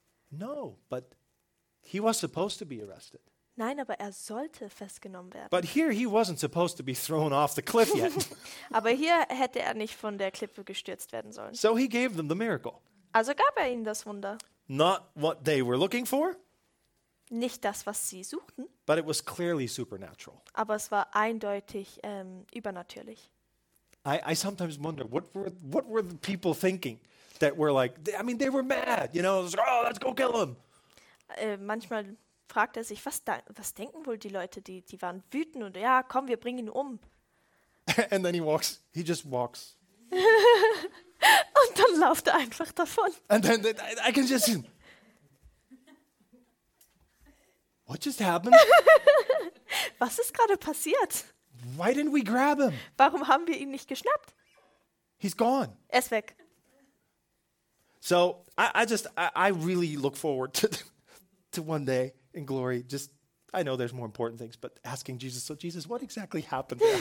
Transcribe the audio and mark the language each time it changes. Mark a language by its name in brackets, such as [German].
[English] No, but he was supposed to be arrested. [German] Nein, aber er sollte festgenommen werden. [English] But here he wasn't supposed to be thrown off the cliff yet. [German] Aber hier hätte er nicht von der Klippe gestürzt werden sollen. [English] So he gave them the miracle. [German] Also gab er ihnen das Wunder. [English] Not what they were looking for. [German] Nicht das, was sie suchten. [English] But it was clearly supernatural. [German] Aber es war eindeutig übernatürlich. [English] I sometimes wonder what were the people thinking that were like, I mean, they were mad, you know, like, oh, let's go kill him. [German] Manchmal fragt er sich, was denken wohl die Leute, die waren wütend und ja, komm, wir bringen ihn um. [English] And then he just walks. [German] Und dann läuft er einfach davon. [English] And then I can just see him. What just happened? [German] Was ist gerade passiert? [English] Why didn't we grab him? [German] Warum haben wir ihn nicht geschnappt? [English] He's gone. [German] Er ist weg. [English] So I really look forward to one day in glory, just, I know there's more important things, but asking Jesus, so Jesus, what exactly happened?